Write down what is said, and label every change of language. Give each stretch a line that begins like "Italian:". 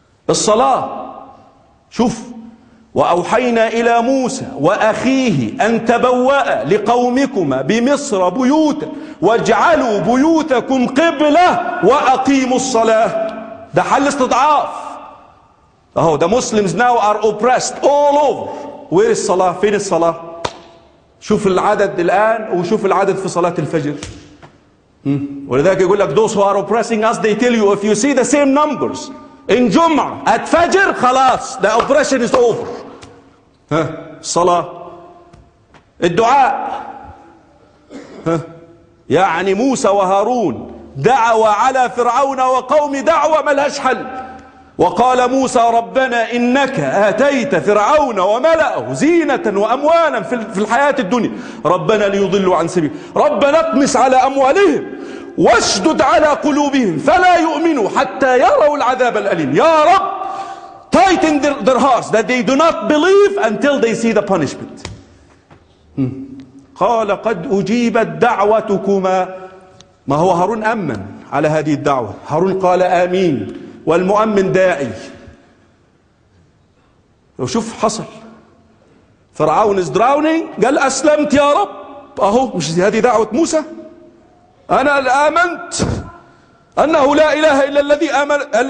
Arabic: الصلاة. شوف, وأوحينا إلى موسى وأخيه أن تبوأ لقومكما بمصر بيوتا واجعلوا بيوتكم قبلة وأقيموا الصلاة. ده حل استضعاف. أهو,
English: the Muslims now are oppressed all over.
Arabic: وين الصلاة؟ فين الصلاة؟ شوف العدد الآن وشوف العدد في صلاة الفجر. ولذلك يقول لك,
English: those who are oppressing us, they tell you, if you see the same numbers in جمعة at فجر, خلاص, the oppression is over.
Arabic: الصلاة, الدعاء. يعني موسى وهارون دعوة على فرعون وقوم, دعوة ملهاش حل. وقال موسى ربنا إنك آتيت فرعون وملأه زينة وأموالا في الحياة الدنيا, ربنا ليضلوا عن سبيل, ربنا اطمس على أموالهم واشدد على قلوبهم فلا يؤمنوا حتى يروا العذاب الأليم. يا رب,
English: tighten their hearts that they do not believe until they see the punishment.
Arabic: قال قد أجيبت دعوتكما. ما هو هارون أمن على هذه الدعوة. هارون قال آمين, والمؤمن داعي. وشوف حصل, فرعون
English: is drowning,
Arabic: قال أسلمت يا رب. أهو, مش هذه دعوة موسى؟ أنا آمنت أنه لا إله إلا الذي آمن.